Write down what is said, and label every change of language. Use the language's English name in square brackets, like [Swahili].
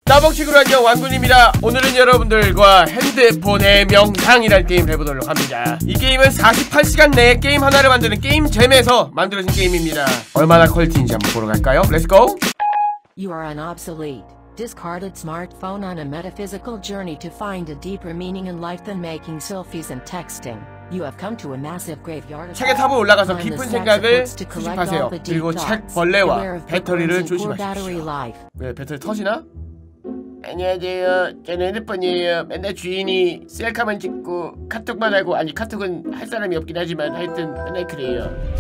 [Korean] 따봉식으로 안녕 왕군입니다. 오늘은 여러분들과 핸드폰의 명상이란 게임을 해보도록 합니다. 이 게임은 48시간 내에 게임 하나를 만드는 게임잼에서 만들어진 게임입니다. 얼마나 퀄리티인지 한번 보러 갈까요? [English] Let's go! You are an obsolete, discarded smartphone on a metaphysical journey to find a deeper meaning in life than making selfies and texting. You have come to a massive graveyard. [Korean] 책의 탑을 올라가서 깊은 생각을 수집하세요. 그리고 책 벌레와 배터리를 조심하십시오. 왜 배터리 터지나? 안녕하세요. 저는 핸드폰이에요. 맨날 주인이 셀카만 찍고 카톡만 하고, 아니 카톡은 할 사람이 없긴 하지만 하여튼 맨날 그래요.